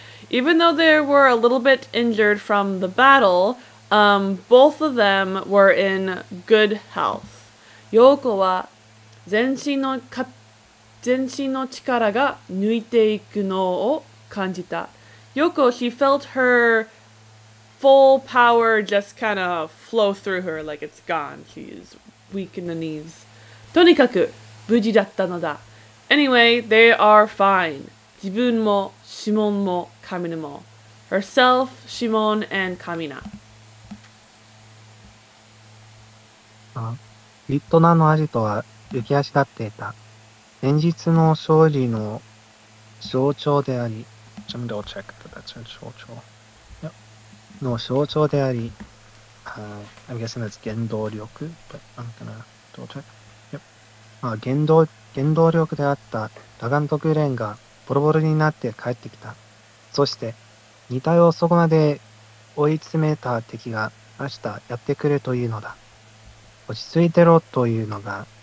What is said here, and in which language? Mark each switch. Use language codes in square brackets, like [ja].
[en] Even though they were a little bit injured from the battle, both of them were in good health. [ja] Yoko は全身の力が抜いていくのを感じた。 [en] Yoko, she felt her full power just kind of flow through her, like it's gone. She is weak in the knees. [ja] とにかく無事だったのだ。 [en] Anyway, they are fine. [ja] 自分も、シモンも、カミナも。 [en] Herself, シモン、and カミナ。 [ja] リットナのアジトは浮き足立っていた。前日の勝利の象徴であり、ちょっとチェック、 [en] that's her 象徴。 Yep. [ja] の象徴であり、 [en] I'm guessing that's 原動力、but I'm gonna double check. Yep. [ja] 原動力であったラガントグレンがボロボロになって帰ってきた。そして、二体をそこまで追い詰めた敵が明日やってくるというのだ。落ち着いてろというのが、